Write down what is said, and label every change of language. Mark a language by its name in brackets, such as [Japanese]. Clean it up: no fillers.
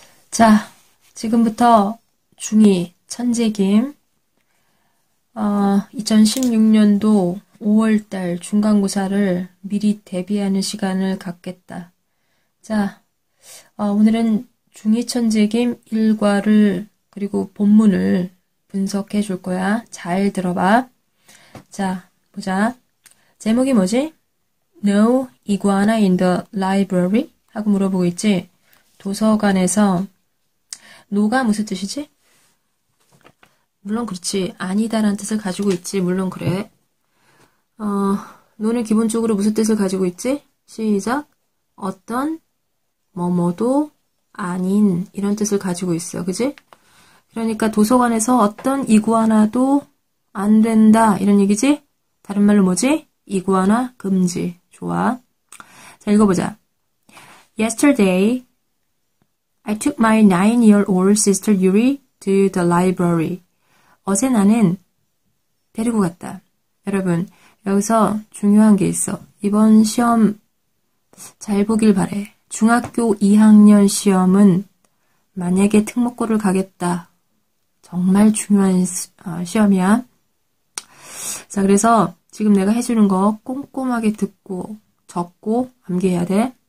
[Korean] 자, 지금부터 중2 천재김, 2016년도 5월달 중간고사를 미리 대비하는 시간을 갖겠다. 자, 오늘은 중2 천재김 일과를, 그리고 본문을 분석해 줄 거야. 잘 들어봐. 자, 보자. 제목이 뭐지? [English] No iguana in the library? [Korean] 하고 물어보고 있지? 도서관에서 노가 무슨 뜻이지? 물론 그렇지. 아니다라는 뜻을 가지고 있지. 물론 그래. 노는 기본적으로 무슨 뜻을 가지고 있지? 시작. 어떤 뭐뭐도 아닌 이런 뜻을 가지고 있어. 그지? 그러니까 도서관에서 어떤 이구아나도 안 된다. 이런 얘기지? 다른 말로 뭐지? 이구아나 금지. 좋아. 자, 읽어보자. [English] Yesterday, I took my 9-year-old sister Yuri to the library. [Korean] 어제 나는 데리고 갔다. 여러분, 여기서 중요한 게 있어. 이번 시험 잘 보길 바래. 중학교 2학년 시험은 만약에 특목고를 가겠다. 정말 중요한 시험이야. 자, 그래서 지금 내가 해주는 거 꼼꼼하게 듣고 적고 암기해야 돼.